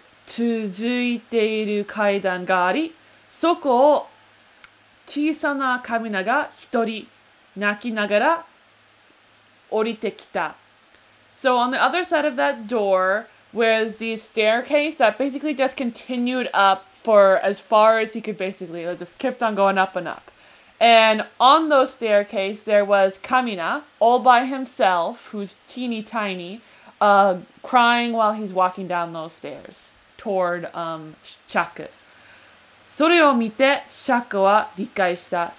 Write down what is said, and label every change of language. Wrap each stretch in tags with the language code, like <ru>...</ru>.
<ja>続いている階段があり、そこを小さなカミナが一人泣きながら降りてきた。</ja> <en>So on the other side of that door was the staircase that basically just continued up for as far as he could basically, like just kept on going up and up. And on those staircase there was Kamina all by himself, who's teeny tiny, crying while he's walking down those stairs toward Shaku.</en> <ja>それを見てシャクは理解した。</ja>